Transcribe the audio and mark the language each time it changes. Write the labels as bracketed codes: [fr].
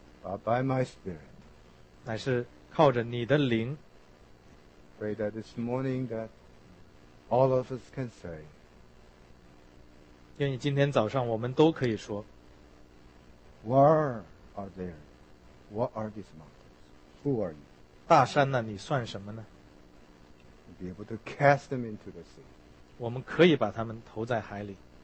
[en] But by my spirit. [zh] 乃是靠着你的灵。 [en] Pray that this morning that all of us can say. [zh] 愿意今天早上我们都可以说。 [en] Where are there? What are these mountains? Who are you? [zh] 大山呢？你算什么呢？ [en] You'll be able to cast them into the sea. [zh] 我们可以把他们投在海里。